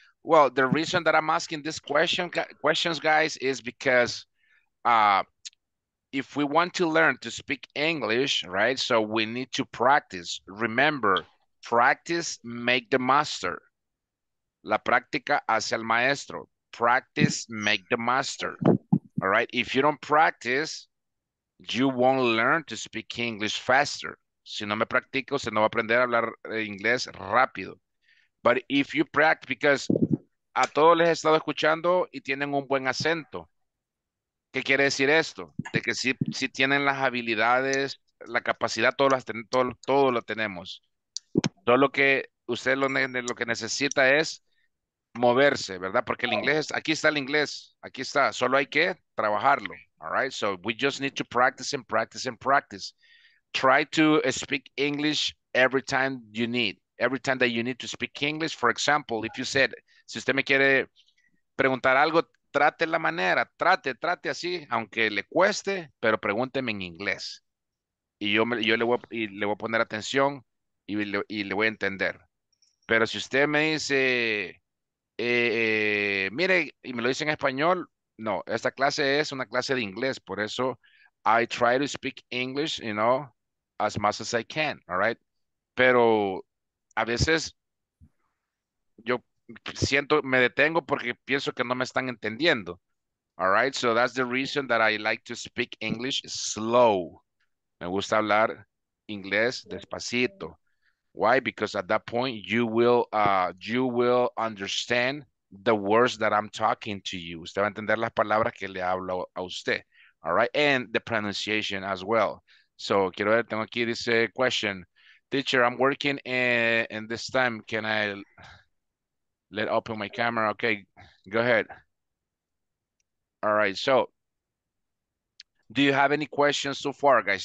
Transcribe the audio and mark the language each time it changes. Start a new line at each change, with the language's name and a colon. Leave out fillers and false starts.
English: Well, the reason that I'm asking this questions, guys, is because if we want to learn to speak English, right, so we need to practice. Remember, practice make the master.
Spanish: La práctica hace el maestro.
English: Practice make the master. All right, if you don't practice, you won't learn to speak English faster.
Spanish: Si no me practico, se no va a aprender a hablar inglés rápido.
English: But if you practice, because
Spanish: a todos les he estado escuchando y tienen un buen acento. ¿Qué quiere decir esto? De que si tienen las habilidades, la capacidad, todo lo tenemos. Todo lo que usted lo que necesita es moverse, ¿verdad? Porque el inglés, aquí está el inglés, aquí está. Solo hay que trabajarlo,
English: all right? So we just need to practice and practice and practice. Try to speak English every time you need. Every time that you need to speak English, for example, if you said,
Spanish: si usted me quiere preguntar algo, trate la manera, trate así, aunque le cueste, pero pregúnteme en inglés. Y yo le voy a poner atención y le voy a entender. Pero si usted me dice, mire, y me lo dice en español, no, esta clase es una clase de inglés. Por eso,
English: I try to speak English, you know, as much as I can, all right?
Spanish: Pero a veces yo siento, me detengo porque pienso que no me están entendiendo.
English: All right, so that's the reason that I like to speak English slow.
Spanish: Me gusta hablar inglés despacito.
English: Why? Because at that point you will understand the words that I'm talking to you.
Spanish: Usted va a entender las palabras que le hablo a usted.
English: All right, and the pronunciation as well. So
Spanish: quiero ver, tengo aquí dice
English: question. Teacher, I'm working in this time. Can I let open my camera? Okay, go ahead. All right, so do you have any questions so far, guys?